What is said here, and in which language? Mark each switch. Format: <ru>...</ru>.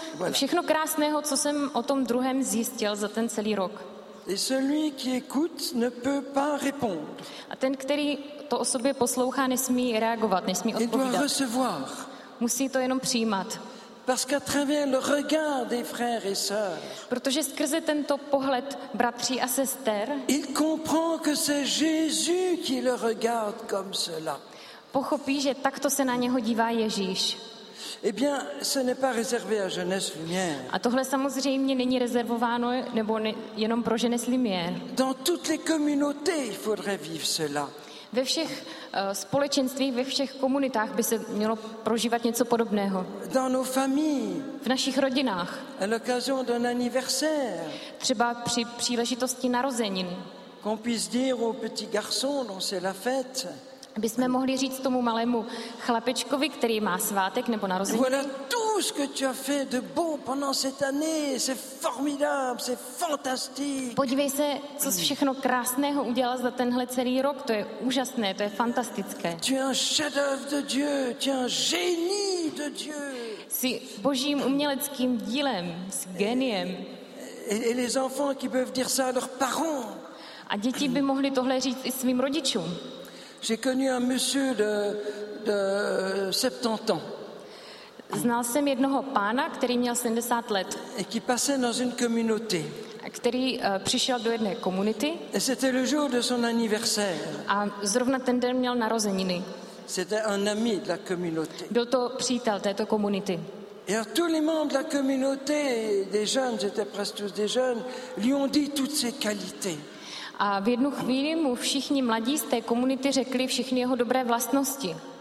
<cs>Všechno krásného, co jsem o tom druhém zjistil za ten celý rok.</cs> <fr>Et celui qui écoute ne peut pas répondre.</fr> <cs>A ten, který to o sobě poslouchá, nesmí reagovat, nesmí odpovídat.</cs> <fr>Il doit recevoir.</fr> <cs>Musí to jenom přijímat.</cs> <fr>Parce qu'à travers le regard des frères et sœurs.</fr> <cs>Protože skrze tento pohled bratří a sester.</cs> <fr>Il comprend que c'est Jésus qui le regarde comme cela.</fr> <cs>Pochopí, že takto se na něho dívá Ježíš.</cs> <fr>Eh bien, ce n'est pas réservé à Jeunesse Lumière.</fr> <cs>A tohle samozřejmě není rezervováno jenom pro Jeunesse Lumière.</cs> <fr>Dans toutes les communautés, il faudrait vivre cela.</fr> <cs>ve všech společenstvích, ve všech komunitách by se mělo prožívat něco podobného.</cs> <fr>Dans nos familles.</fr> <cs>V našich rodinách.</cs> <fr>À l'occasion d'un anniversaire.</fr> <cs>Třeba při příležitosti narozenin.</cs> <fr>Qu'on puisse dire au petit garçon dont c'est la fête.</fr> <cs>Aby jsme mohli říct tomu malému chlapečkovi, který má svátek nebo narozeniny.</cs> <fr>Voilà tout ce que tu as fait de beau pendant cette année, c'est formidable, c'est fantastique.</fr> <cs>Podívej se, co jsi všechno krásného udělal za tenhle celý rok, to je úžasné, to je fantastické.</cs> <fr>Tu es un chef-d'œuvre de Dieu, tu es un génie de Dieu.</fr> <cs>Jsi božím uměleckým dílem, jsi géniem.</cs> <fr>Et les enfants qui peuvent dire ça à leurs parents.</fr> <cs>A děti by mohli tohle říct i svým rodičům.</cs> <fr>J'ai connu un monsieur de 70 ans.</fr> <cs>Znal jsem jednoho pána, který měl 70 let.</cs> <fr>Et qui passait dans une communauté.</fr> <cs>Který přišel do jedné komunity.</cs> <fr>Et c'était le jour de son anniversaire.</fr> <cs>A zrovna ten den měl narozeniny.</cs> <fr>C'était un ami de la communauté.</fr> <cs>Byl to přítel této komunity.</cs> <fr>Et alors, tous les membres de la communauté, des jeunes, j'étais presque tous des jeunes, lui ont dit toutes ses qualités.</fr> <cs>A v jednu chvíli mu všichni mladí z té komunity řekli všechny jeho dobré vlastnosti.</cs>